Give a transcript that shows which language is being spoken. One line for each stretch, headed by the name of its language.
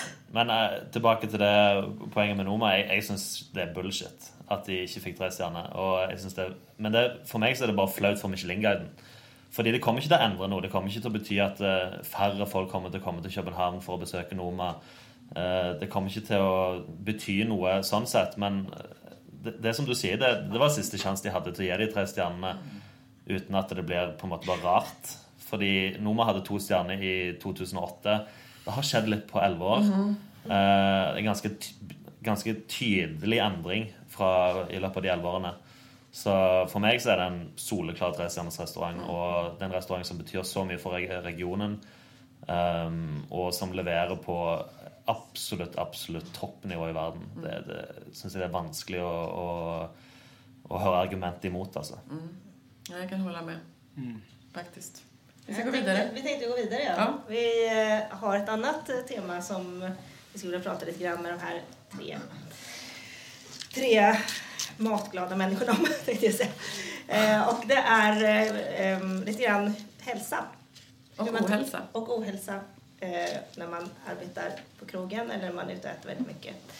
Swedish: Men tillbaka till det poängen med Noma, jag syns det är bullshit att de inte fick 3 stjärnor, och jag syns det, men det, för mig så är det bara flaut för Michelin-guiden, för det kommer inte att ändra nå, det kommer inte att betyda att färre folk kommer till København för att besöka Noma, det kommer inte att betyda något sånt sett, men det som du säger, det var sista chans de hade att ge de 3 stjärnorna utan att det blev på något bara rart, för Noma hade 2 stjärnor i 2008.
Norwegian: Det har skjedd litt på 11 år. Mm-hmm. En ganske tydelig endring fra i løpet av de 11 årene. Så for meg så er det en soleklart restaurant, og det er en restaurant som betyr så mye for regionen, og som leverer på absolutt, absolutt toppnivå i verden. Det synes jeg det er vanskelig å høre argument imot, altså. Mm. Jeg kan holde med, faktisk.
Swedish: Vi tänkte gå vidare. Ja. Vi har ett annat tema som vi skulle vilja prata lite grann med de här tre matglada människorna om, tänkte jag säga. Och det är lite grann hälsa. Och ohälsa när man arbetar på krogen eller när man är ute och äter väldigt mycket.